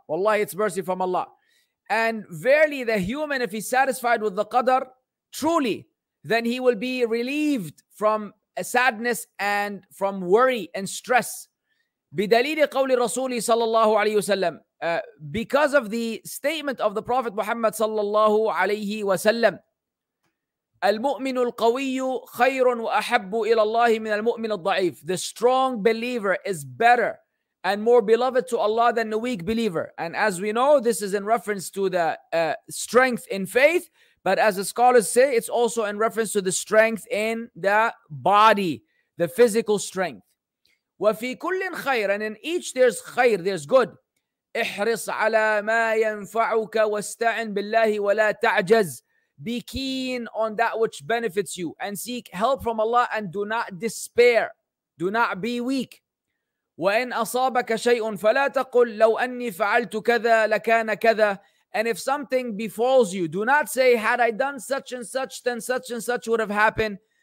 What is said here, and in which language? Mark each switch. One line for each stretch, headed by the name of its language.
English: Wallahi, it's mercy from Allah. And verily, the human, if he's satisfied with the qadr, truly, then he will be relieved from sadness and from worry and stress.
Arabic: بِدَلِيلِ قَوْلِ رَسُولِي صَلَّى اللَّهُ عَلَيْهِ وَسَلَّمُ.
English: Because of the statement of the Prophet Muhammad صَلَّى اللَّهُ عَلَيْهِ وَسَلَّمُ.
Arabic: المؤمن القوي خير وأحب إلى الله من المؤمن الضعيف.
English: The strong believer is better and more beloved to Allah than the weak believer. And as we know, this is in reference to the strength in faith. But as the scholars say, it's also in reference to the strength in the body, the physical strength.
Arabic: وفي كل خير.
English: And in each there's خير, there's good.
Arabic: احرص على ما ينفعك واستعن بالله ولا تعجز.
English: Be keen on that which benefits you and seek help from Allah and do not despair. Do not be weak.
Arabic: وَإِنْ أَصَابَكَ شَيْءٌ فَلَا تَقُلْ لَوْ أَنِّي فَعَلْتُ كَذَا لَكَانَ كَذَا.
English: And if something befalls you, do not say, had I done such and such, then such and such would have happened.